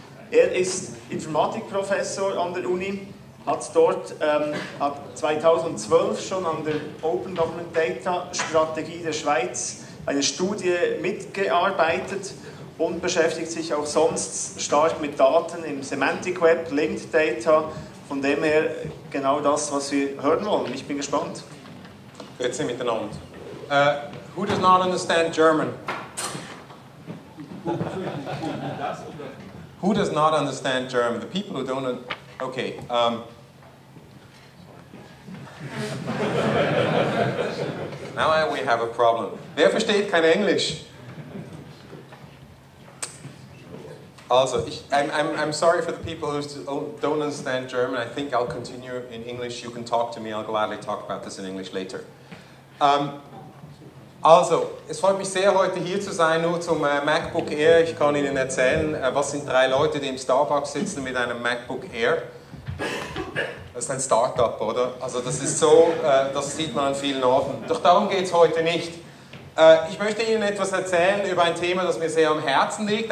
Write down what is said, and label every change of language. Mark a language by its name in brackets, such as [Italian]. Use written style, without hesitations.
[German] Er ist Informatikprofessor an der Uni, hat dort hat 2012 schon an der Open Government Data Strategie der Schweiz eine Studie mitgearbeitet und beschäftigt sich auch sonst stark mit Daten im Semantic Web, Linked Data, von dem her genau das, was wir hören wollen. Ich bin gespannt. Jetzt sind wir miteinander. [English] Who does not understand German? Who does not understand German? The people who don't... Okay. Now we have a problem. [German] Wer versteht kein Englisch? [English] Also, I'm sorry for the people who don't understand German. I think I'll continue in English. You can talk to me. I'll gladly talk about this in English later. [German] Also, es freut mich sehr, heute hier zu sein, nur zum MacBook Air. Ich kann Ihnen erzählen, was sind drei Leute, die im Starbucks sitzen mit einem MacBook Air. Das ist ein Startup, oder? Also das ist so, das sieht man an vielen Orten. Doch darum geht es heute nicht. Ich möchte Ihnen etwas erzählen über ein Thema, das mir sehr am Herzen liegt.